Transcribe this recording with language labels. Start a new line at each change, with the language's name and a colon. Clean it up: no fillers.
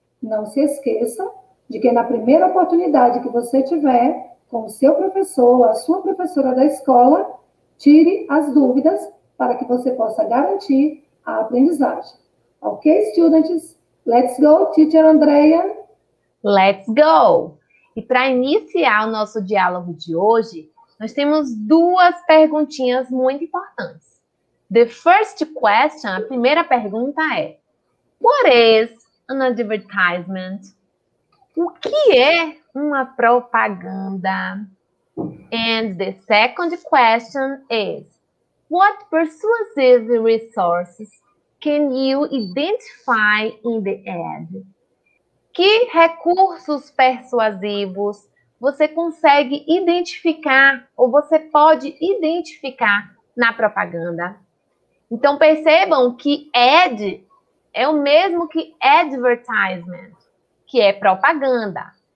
Portuguese: Não se esqueça de que na primeira oportunidade que você tiver com o seu professor ou a sua professora da escola, tire as dúvidas para que você possa garantir a aprendizagem.
English: Ok, students? Let's go, teacher Andrea. Let's go!
Portuguese: E para iniciar o nosso diálogo de hoje, nós temos duas perguntinhas muito importantes.
English: The first question,
Portuguese: a primeira pergunta é:
English: What is an advertisement?
Portuguese: O que é uma propaganda?
English: And the second question is: What persuasive resources can you identify in the ad?
Portuguese: Que recursos persuasivos você consegue identificar ou você pode identificar na propaganda? Então, percebam que ad é o mesmo que advertisement, que é propaganda.